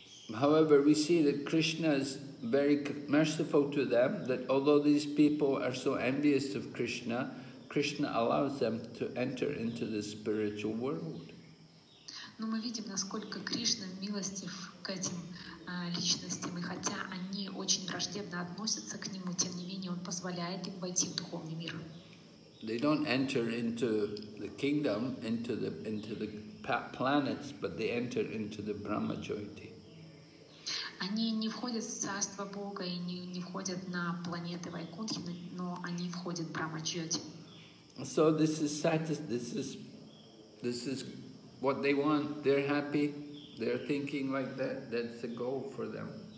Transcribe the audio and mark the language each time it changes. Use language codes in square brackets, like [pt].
[en] However, we see that Krishna is very merciful to them, that although these people are so envious of Krishna, Krishna allows them to enter into the spiritual world. [ru] Но мы видим, насколько Кришна милостив к этим личностям, и хотя они очень враждебно относятся к нему, тем не менее он позволяет им войти в духовный мир. [en] They don't enter into the kingdom, into the planets, but they enter into the Brahmajyoti. [ru] Они не входят в царство Бога и не входят на планеты Вайкунтхи, но они входят в Брахмаджоти. [en] So this is what they want. They're happy. They're thinking like that. That's the goal for them.